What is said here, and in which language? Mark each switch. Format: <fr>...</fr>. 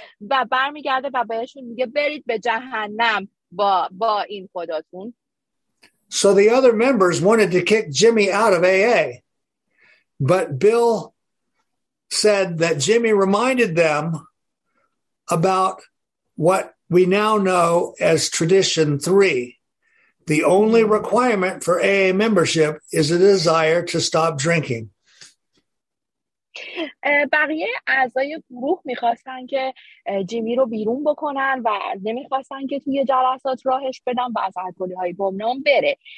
<fa>و برمیگرده و بهشون میگه برید به جهنم با این خداتون.</fa> <en>So the other members wanted to kick Jimmy out of AA, but Bill said that Jimmy reminded them about what we now know as Tradition 3. The only requirement for AA membership is a desire to stop drinking.</en> <fa>بقیه اعضای گروه میخواستن که جیمی رو بیرون بکنن و نمیخواستن که توی جلسات راهش بدن و از الکلی های گمنام بره.</fa>